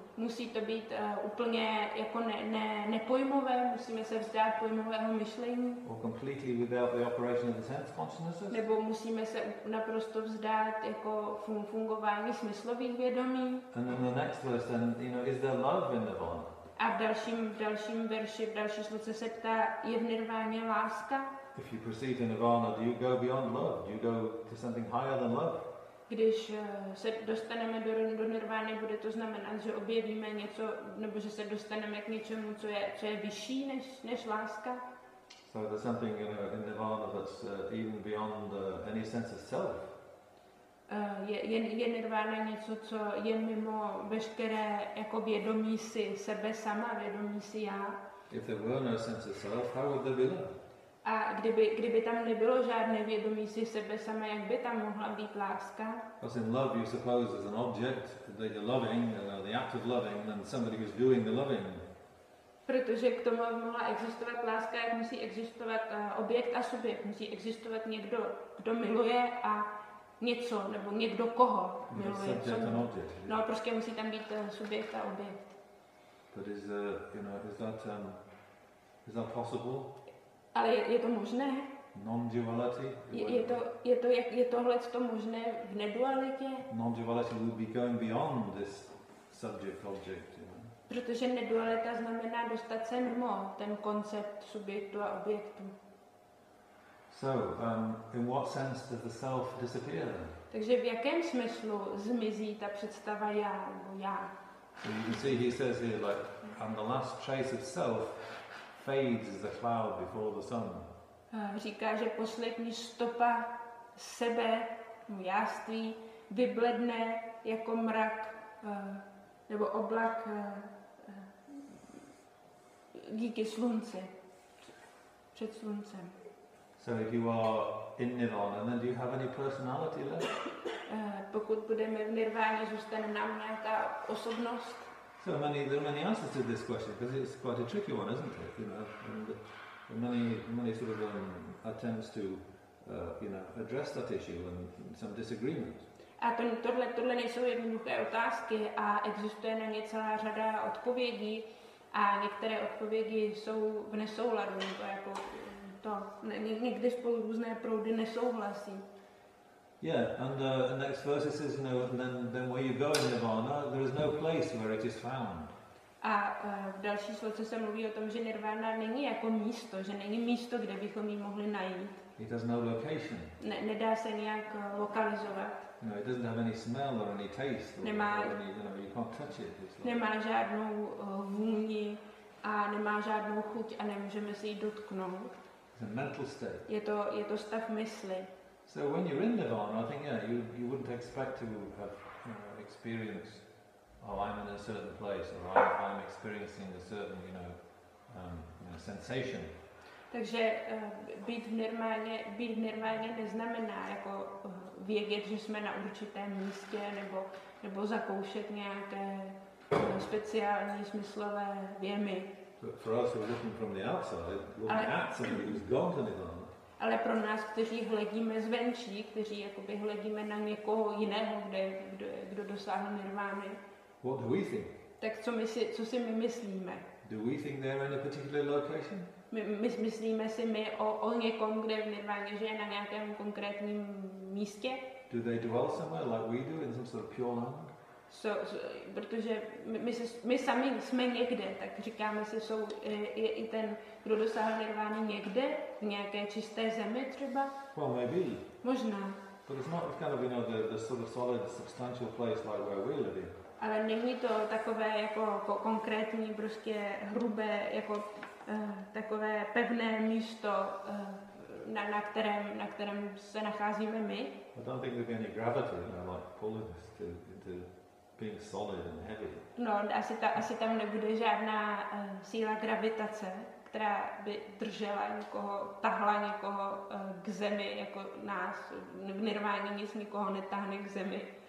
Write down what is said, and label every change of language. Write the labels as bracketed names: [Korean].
[Czech] Musí to být úplně jako nepojmové, musíme se vzdát pojmového myšlení. [English] Or completely without the operation of the sense consciousness? [Czech] Nebo musíme se naprosto vzdát jako fungování smyslových vědomí. [English] And then the next verse, then, you know, is there love in nirvana? [Czech] A v dalším verši, v další sloce se ptá, je v nirváně láska? [English] If you proceed to nirvana, do you go beyond love? Do you go to something higher than love? [Czech] Když se dostaneme do nirvány, bude to znamenat, že objevíme něco, nebo že se dostaneme k něčemu, co je vyšší než láska. [English] So there's something in nirvana that's even beyond any sense of self. [Czech] Je nirvána něco, co je mimo veškeré jako vědomí si sebe sama, vědomí si já. [English] If there were no sense of self, how would there be love? [Czech] A kdyby tam nebylo žádné vědomí si sebe sama, jak by tam mohla být láska? [English] Because in love you suppose there's an object that you're loving, you know, the act of loving, and somebody who's doing the loving. [Czech] Protože k tomu mohla existovat láska, jak musí existovat objekt a subjekt, musí existovat někdo, kdo miluje a něco, nebo někdo koho miluje. No, prostě musí tam být subjekt a objekt. [English] But is, you know, is that possible? [Czech] Ale je to možné? [English] Non-duality. [Czech] Je tohle možné v nedualitě? [English] Non-duality would be going beyond this subject-object. You know? [Czech] Protože nedualita znamená dostat se mimo ten koncept subjektu a objektu. [English] So, in what sense does the self disappear? [Czech] Takže v jakém smyslu zmizí ta představa já nebo já? [English] So you can see he says here, like, and the last trace of self fades as a cloud before the sun. [Czech] Říká, že poslední stopa sebe, jáství, vybledne jako mrak nebo oblak díky slunci, před sluncem. [English] So if you are in nirvana, then do you have any personality left? [Czech] Pokud budeme v nirváně, zůstane nám nějaká osobnost? [English] So there are many answers to this question, because it's quite a tricky one, isn't it? You know, and many sort of attempts to, you know, address that issue and some disagreement. [Czech] A tohle nejsou jednoduché otázky a existuje na ně celá řada odpovědí a některé odpovědi jsou v nesouladu, to jako to, někdy spolu různé proudy nesouhlasí. [English] Yeah, and the next verse it says, you know, then where you go in nirvana, there is no place where it is found. [Czech] A v další sloce se mluví o tom, že nirvana není jako místo, že není místo, kde bychom ji mohli najít. [English] It has no location. [Czech] Nedá se nějak lokalizovat. [English] You know, it doesn't have any smell or any taste. You can't touch it. [Czech] Nemá žádnou vůni a nemá žádnou chuť a nemůžeme se jí dotknout. [English] It's a mental state. [Czech] Je to stav mysli. [English] So when you're in nirvana, I think, yeah, you wouldn't expect to have, you know, experience, oh, I'm in a certain place, or I'm experiencing a certain, you know, sensation. [Czech] Takže být v nirváně neznamená jako vědět, že jsme na určitém místě, nebo zakoušet nějaké speciální smyslové věmy. [English] But for us, we're looking from the outside, looking at somebody who's gone to nirvana. [Czech] Ale pro nás, kteří hledíme zvenčí, kteří jakoby hledíme na někoho jiného, kdo dosáhl nirvány. [English] What do we think? [Czech] Tak co si my myslíme? [English] Do we think they're in a particular location? [Czech] Myslíme si o někom, kde v nirváně žije, na nějakém konkrétním místě? [English] Do they dwell somewhere like we do, in some sort of pure land? [Czech] Protože my sami jsme někde, tak říkáme si, jsou i ten, kdo dosáhl nirvány někde, v nějaké čisté zemi třeba. [English] Well, maybe. [Czech] Možná. [English] But it's not kind of, you know, the sort of solid, substantial place like where we live. [Czech] Ale není to takové jako konkrétní, prostě hrubé, jako takové pevné místo, na kterém se nacházíme my. [English] I don't think there'd be any gravity, you know, like pulling us to being solid and heavy. [Czech] No, asi tam nebude žádná síla gravitace, která by držela někoho, tahla někoho k zemi, jako nás. V nirváně nic nikoho netáhne k zemi.